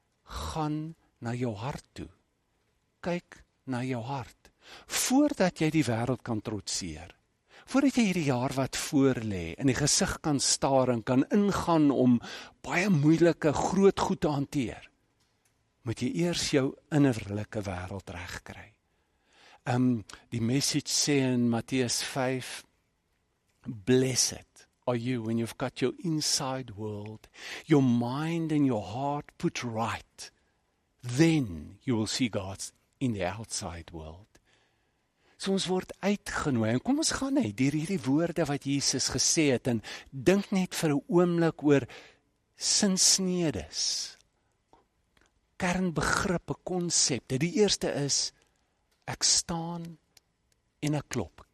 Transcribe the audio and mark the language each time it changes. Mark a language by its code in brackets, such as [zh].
[af] Gaan na jou hart toe. Kyk na jou hart. Voordat jy die wêreld kan trotseer, voordat jy hierdie jaar wat voorlê in die gesig kan staar en kan ingaan om baie moeilike groot goed te hanteer, moet jy eers jou innerlike wêreld regkry. Die message sê in Matteus 5, [en] blessed are you when you've got your inside world, your mind and your heart put right. Then you will see God in the outside world. [af] So ons word uitgenooi, en kom ons gaan net deur hierdie woorde wat Jesus gesê het, en dink net vir 'n oomblik oor sinsnedes, kernbegrippe, konsepte. Die eerste is, ek staan en ek klop.